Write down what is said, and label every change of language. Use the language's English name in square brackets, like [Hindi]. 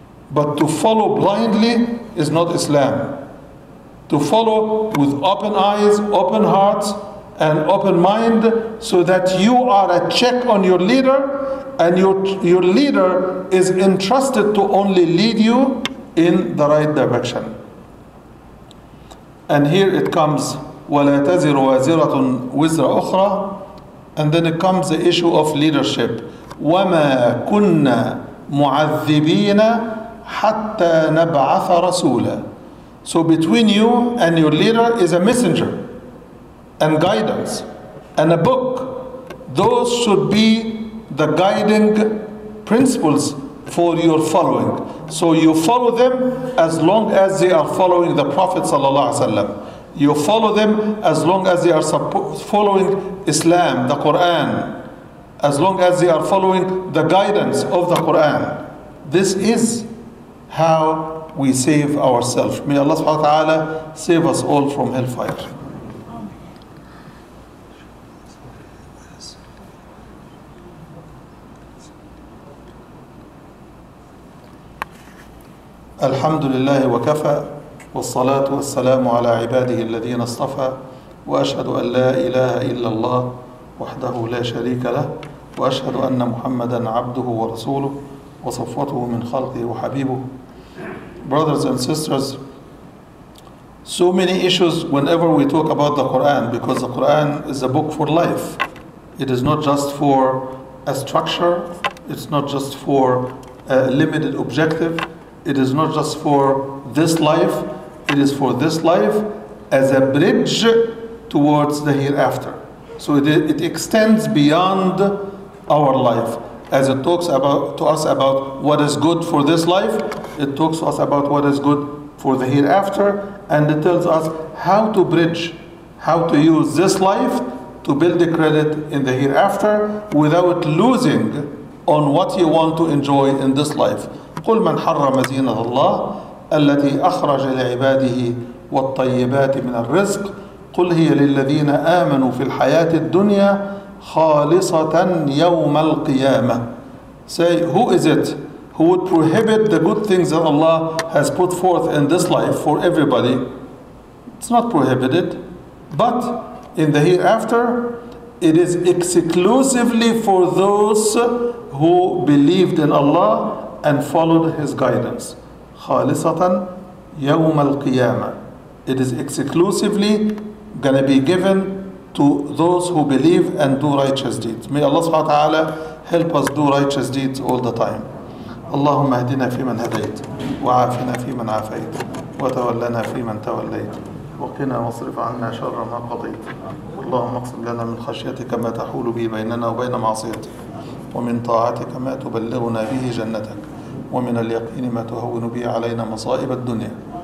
[English] But to follow blindly is not Islam. To follow with open eyes, open hearts, and open mind, so that you are a check on your leader, and your leader is entrusted to only lead you in the right direction. And here it comes [Arabic] ولا تزر وازرة وزر أخرى. [English] And then it comes the issue of leadership. [Arabic] وما كنا معذبين حتى نبعث رسولا. [English] So between you and your leader is a messenger and guidance and a book. Those should be the guiding principles for your following. So you follow them as long as they are following the Prophet ﷺ. You follow them as long as they are following Islam, the Quran, as long as they are following the guidance of the Quran. This is how we save ourselves. May Allah subhanahu wa ta'ala save us all from hellfire. [Arabic] الحمد لله وكفى والصلاة والسلام على عباده الذين اصطفى وأشهد أن لا إله إلا الله وحده لا شريك له وأشهد أن محمدا عبده ورسوله وصفوته من خلقه وحبيبه. [English] Brothers and sisters, so many issues whenever we talk about the Quran, because the Quran is a book for life. It is not just for a structure, it's not just for a limited objective. It is not just for this life, it is for this life as a bridge towards the hereafter. So it extends beyond our life. As it talks about to us about what is good for this life, it talks to us about what is good for the hereafter, and it tells us how to bridge, how to use this life to build the credit in the hereafter without losing on what you want to enjoy in this life. [Arabic] قل من حرم زينة الله التي أخرج لعباده والطيبات من الرزق قل هي للذين آمنوا في الحياة الدنيا خالصة يوم القيامة. [English] Say, who is it who would prohibit the good things that Allah has put forth in this life for everybody? It's not prohibited, but in the hereafter it is exclusively for those who believed in Allah and followed his guidance. [Arabic] خَالِصَةً يَوْمَ الْقِيَامَةِ. [English] It is exclusively gonna be given to those who believe and do righteous deeds. May Allah subhanahu wa ta'ala help us do righteous deeds all the time. [Arabic] اللهم اهدنا في من هديت وعافنا في من عافيت وتولنا في من توليت وقنا واصرف عنا شر ما قضيت. اللهم اقسم لنا من خشيتك ما تحول به بيننا وبين معصيتك ومن طاعتك ما تبلغنا به جنتك ومن اليقين ما تهون به علينا مصائب الدنيا.